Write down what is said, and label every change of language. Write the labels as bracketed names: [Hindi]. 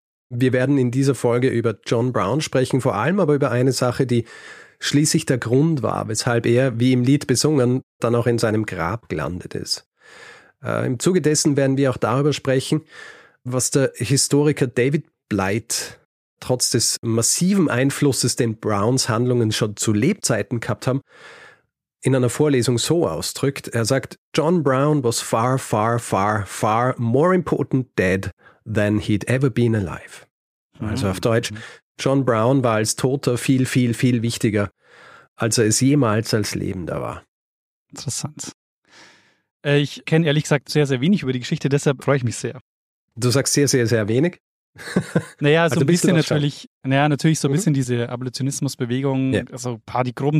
[German] Wir werden in dieser Folge über John Brown sprechen, vor allem aber über eine Sache, die schließlich der Grund war, weshalb er, wie im Lied besungen, dann auch in seinem Grab gelandet ist. Im Zuge dessen werden wir auch darüber sprechen, was der Historiker David Blight trotz des massiven Einflusses, den Browns Handlungen schon zu Lebzeiten gehabt haben, in einer Vorlesung so ausdrückt. Er sagt, [English] John Brown was far, far, far, far more important dead than he'd ever been alive. [German] Also auf Deutsch, John Brown war als Toter viel, viel, viel wichtiger, als er es jemals als Lebender war. Interessant. Ich kenne ehrlich gesagt sehr, sehr wenig über die Geschichte, deshalb freue ich mich sehr. Du sagst sehr, sehr, sehr wenig? Naja, so also ein bisschen natürlich, naja, natürlich so ein bisschen diese Abolitionismusbewegung, also ein paar die groben